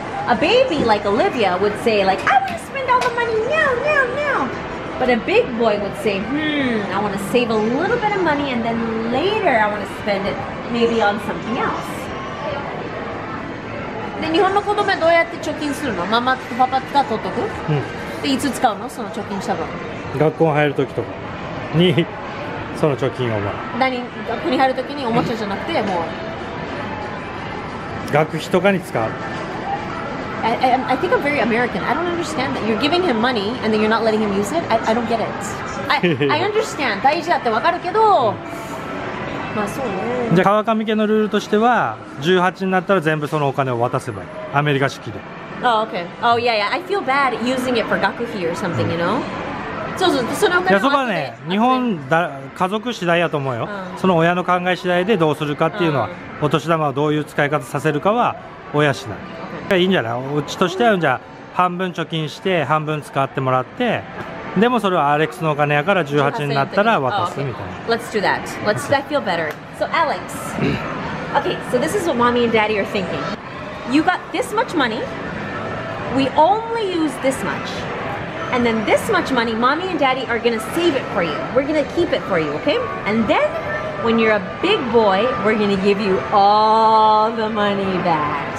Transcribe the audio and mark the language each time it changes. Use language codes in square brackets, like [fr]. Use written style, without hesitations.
[en] A baby like Olivia would say like, I want to spend all the money now. But a big boy would say, I want to save a little bit of money and then later I want to spend it maybe on something else. [ja] で、日本の子供はどうやって貯金するの？ママとパパが取っとく、うん、で、いつ使うの？その貯金した分。学校入るときとかにその貯金を、まあ、何？学校に入るときにおもちゃじゃなくて、もう学費とかに使う。 [en] I think I'm very American. I don't understand that. You're giving him money and then you're not letting him use it. I don't get it. I understand. [ja] 大事だってわかるけど、まあそうね。じゃあ川上家のルールとしては、18になったら全部そのお金を渡せばいい。アメリカ式で。 [en] Oh, okay. Oh, yeah, yeah. I feel bad using it for 学費 or something, you know? [ja] そうそう、そのお金を渡せば。いや、そこはね、日本だ、家族次第やと思うよ。その親の考え次第でどうするかっていうのは、お年玉をどういう使い方させるかは親次第。いいんじゃない、うちとしては。じゃあ半分貯金して半分使ってもらって、でもそれはアレックスのお金やから18になったら渡すみたいな。 [en] Let's do that. Let's do that. Feel better. So Alex, okay, so this is what mommy and daddy are thinking. You got this much money, we only use this much, and then this much money mommy and daddy are gonna save it for you, we're gonna keep it for you, okay? And then when you're a big boy, we're gonna give you all the money back.